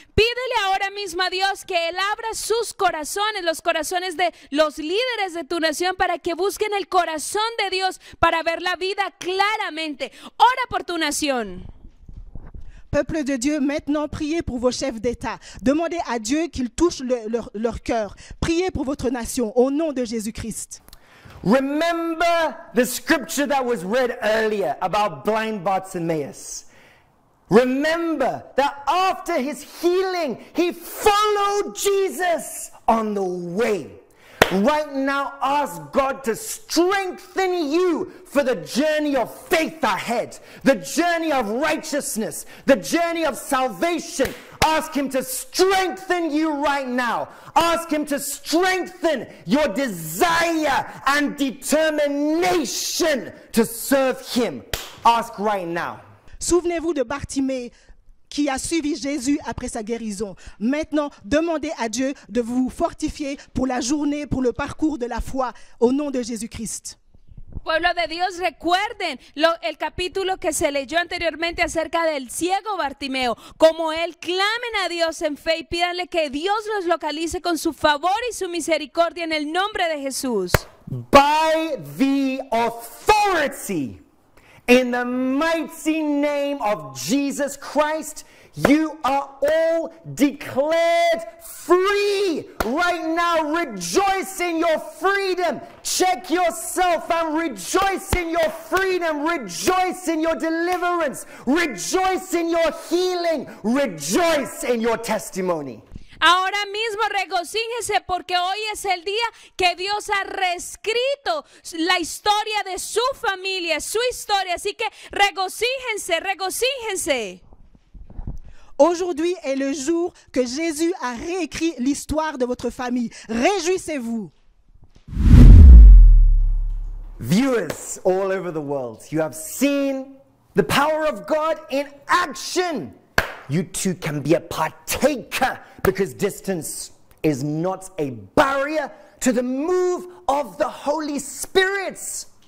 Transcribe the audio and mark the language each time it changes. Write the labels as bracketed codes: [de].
[es] Pídele ahora mismo a Dios que Él abra sus corazones, los corazones de los líderes de tu nación, para que busquen el corazón de Dios para ver la vida claramente. Ora por tu nación. [fr] Peuple de Dieu, maintenant priez pour vos chefs d'État. Demandez à Dieu qu'il touche leur cœur. Priez pour votre nation au nom de Jésus-Christ. [en] Remember the scripture that was read earlier about blind Bartimaeus. Remember that after his healing, he followed Jesus on the way. Right now, ask God to strengthen you for the journey of faith ahead, the journey of righteousness, the journey of salvation. Ask Him to strengthen you right now. Ask Him to strengthen your desire and determination to serve Him. Ask right now. [fr] Souvenez-vous de Bartimée qui a suivi Jésus après sa guérison. Maintenant, demandez à Dieu de vous fortifier pour la journée, pour le parcours de la foi, au nom de Jésus-Christ. [es] Pueblo de Dios, recuerden el capítulo que se leyó anteriormente acerca del ciego Bartimeo. Como él, clamen a Dios en fe y pídanle que Dios los localice con su favor y su misericordia en el nombre de Jesús. [en] By the authority, in the mighty name of Jesus Christ, you are all declared free right now. Rejoice in your freedom. Check yourself and rejoice in your freedom. Rejoice in your deliverance. Rejoice in your healing. Rejoice in your testimony. [es] Ahora mismo regocíjese porque hoy es el día que Dios ha reescrito la historia de su familia, su historia. Así que regocíjense, regocíjense. [fr] Aujourd'hui est le jour que Jésus a réécrit l'histoire de votre famille. Réjouissez-vous. [en] Viewers all over the world, you have seen the power of God in action. You too can be a partaker because distance is not a barrier to the move of the Holy Spirit.